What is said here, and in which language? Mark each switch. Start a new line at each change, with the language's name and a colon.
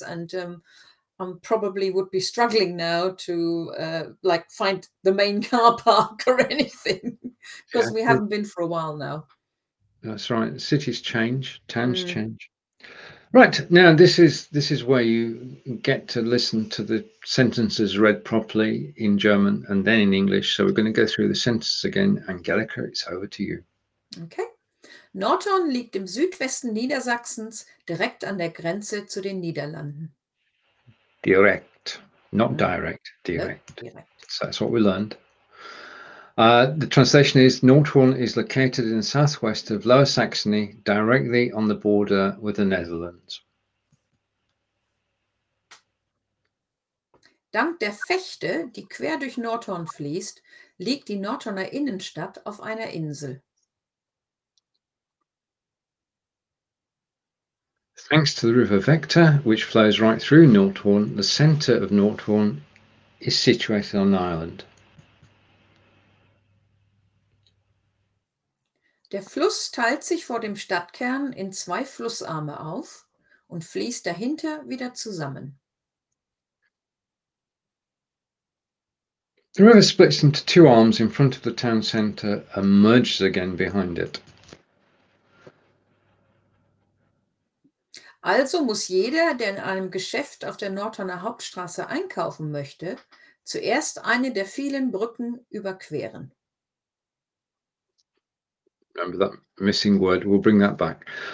English: And I probably would be struggling now to find the main car park or anything, because we haven't been for a while now. That's right. Cities change, towns change. Right. Now, this is where you get to listen to the sentences read properly in German and then in English. So we're going to go through the sentences again. Angelika, it's over to you. Okay.
German: Nordhorn liegt im Südwesten Niedersachsens, direkt an der Grenze zu den Niederlanden.
English: Direct, not direct, direct. Direct. So that's what we learned. The translation is, Nordhorn is located in the southwest of Lower Saxony, directly on the border with the Netherlands.
German: Dank der Fechte, die quer durch Nordhorn fließt, liegt die Nordhorner Innenstadt auf einer Insel.
English: Thanks to the River Vechta, which flows right through Nordhorn, the centre of Nordhorn is situated on an island.
German: Der Fluss teilt sich vor dem Stadtkern in zwei Flussarme auf und fließt dahinter wieder zusammen.
English: The river splits into two arms in front of the town centre and merges again behind it.
German: Also muss jeder, der in einem Geschäft auf der Nordhorner Hauptstraße einkaufen möchte, zuerst eine der vielen Brücken überqueren.
English: Remember that missing word, we'll bring that back.